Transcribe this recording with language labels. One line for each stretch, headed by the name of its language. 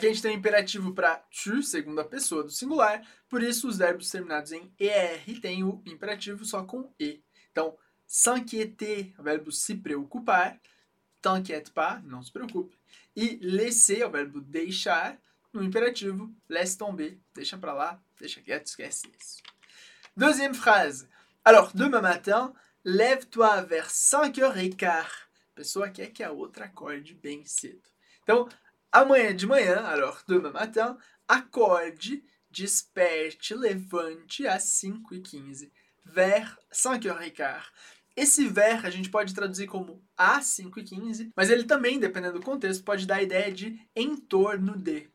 Portuguese: Aqui a gente tem o imperativo para tu, segunda pessoa do singular, por isso os verbos terminados em er têm o imperativo só com e. Então, s'inquiéter, o verbo se preocupar,
French: t'inquiète pas,
Portuguese: não se preocupe, e laisser, o verbo deixar, no imperativo,
French: laisse tomber,
Portuguese: deixa para lá, deixa quieto, esquece isso.
French: Deuxième phrase. Alors, demain matin, lève-toi vers 5h15.
Portuguese: Pessoa quer que a outra acorde bem cedo. Então, amanhã de manhã,
French: alors demain matin,
Portuguese: acorde, desperte, levante às 5h15. Vers 5h15. Esse vers a gente pode traduzir como às 5h15, mas ele também, dependendo do contexto, pode dar a ideia de em torno de.